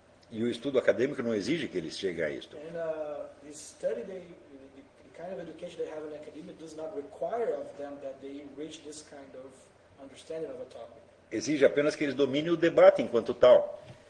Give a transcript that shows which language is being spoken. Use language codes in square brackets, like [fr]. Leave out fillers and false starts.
[pt] E o estudo acadêmico não exige que eles cheguem a isto. [en] And the kind of education they have in academia does not require of them that they reach this kind of understanding of a topic. [pt] Exige apenas que eles dominem o debate enquanto tal.